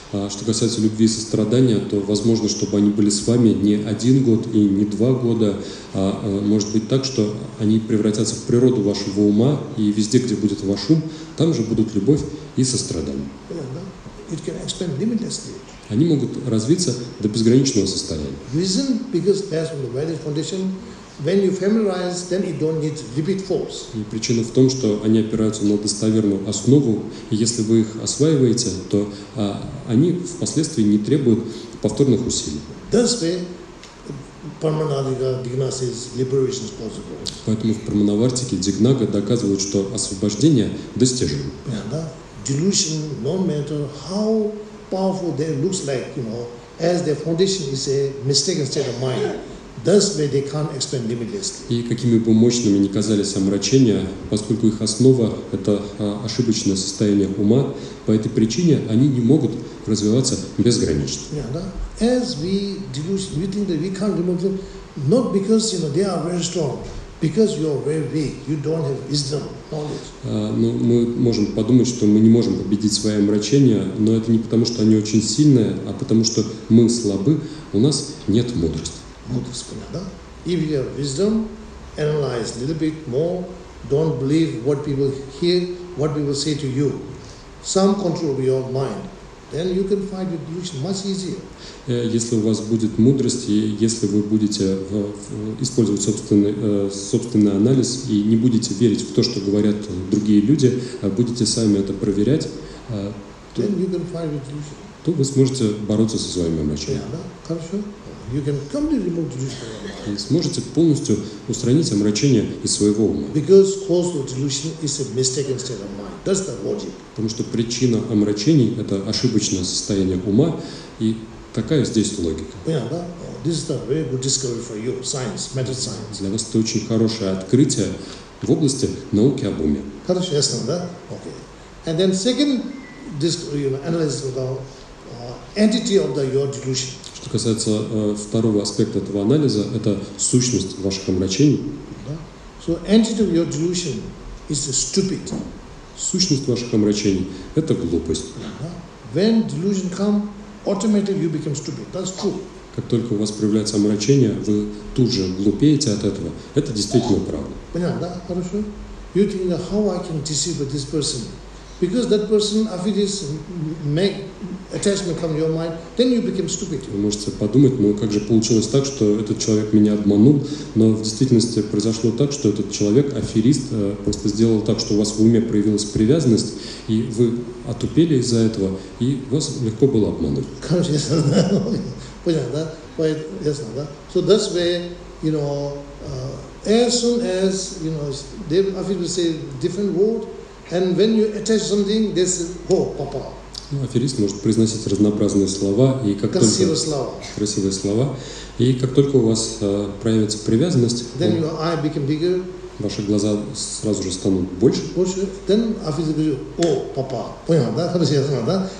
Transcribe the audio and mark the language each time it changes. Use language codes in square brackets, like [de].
[ru] Что касается любви и сострадания, то возможно, чтобы они были с вами не один год и не два года. Может быть так, что они превратятся в природу вашего ума, и везде, где будет ваш ум, там же будут любовь и сострадание. [en] It can expand limitlessly. [ru] Они могут развиться до безграничного состояния. [en] Reason, because based on the valid foundation, when you familiarize, then you don't need repeat force. [ru] И причина в том, что они опираются на достоверную основу, и если вы их осваиваете, то они впоследствии не требуют повторных усилий. [en] Thus way, Paramanavartika Dignaga says liberation is possible. [ru] Поэтому в Парманавартике Дигнага доказывают, что освобождение достижимо. [en] Да, delusion, no matter how powerful they looks like, you know, as their foundation is a mistaken state of mind. Thus, where they can't expand limitlessly. [ru] И какими бы мощными ни казались омрачения, поскольку их основа – это ошибочное состояние ума, по этой причине они не могут развиваться безгранично. [en] Yeah, [ru] да? [en] As we delusion, we think that we can't remove them, not because, you know, they are very strong, because you are very weak, you don't have wisdom, knowledge. [ru] Ну, мы можем подумать, что мы не можем победить свои омрачения, но это не потому, что они очень сильные, а потому что мы слабы, у нас нет мудрости. Мудрость, понятно, да? [en] If you have wisdom, analyze a little bit more, don't believe what people hear, what people say to you. Some control of your mind. Then you can find your delusion much easier. [ru] Если у вас будет мудрость, и если вы будете использовать собственный анализ и не будете верить в то, что говорят другие люди, будете сами это проверять, [en] then you can find your delusion. [ru] То вы сможете бороться со своими омрачениями. Понятно, да? Хорошо. [en] You can completely remove delusion. [ru] И сможете полностью устранить омрачение из своего ума. [en] Because cause of delusion is a mistaken state of mind. That's the logic. [ru] Потому что причина омрачений – это ошибочное состояние ума, и такая здесь логика. Понятно, да? [en] This is a very good discovery for you, science, mental science. [ru] Для вас это очень хорошее открытие в области науки об уме. Хорошо, ясно, да? Okay. [en] And then second, this, you know, analysis of the entity of the your delusion. [ru] Что касается второго аспекта этого анализа, это сущность ваших омрачений. [en] So entity of your delusion is stupid. [ru] Сущность ваших омрачений – это глупость. [en] When delusion come, automatically you become stupid. That's true. [ru] Как только у вас проявляется омрачение, вы тут же глупеете от этого. Это действительно правда. Понятно, да? Хорошо. [en] You think, how I can deceive this person? Because that person, after this, make attachment come to your mind, then you become stupid. [ru] Вы можете подумать, ну как же получилось так, что этот человек меня обманул, но в действительности произошло так, что этот человек, аферист, просто сделал так, что у вас в уме проявилась привязанность, и вы отупели из-за этого, и вас легко было обмануть. Конечно, да. Понятно, да? Ясно, да? [en] So that's where, you know, as soon as, you know, they, after you say different word, and when you attach something, they say, oh, papa. [ru] Ну, аферист может произносить разнообразные слова, и как красивые только... слова. Красивые слова. И как только у вас проявится привязанность, [en] then your eye become bigger. [ru] Ваши глаза сразу же станут больше. Больше. Then аферист говорит, о, папа. Понял, да? Хорошо, ясно, да?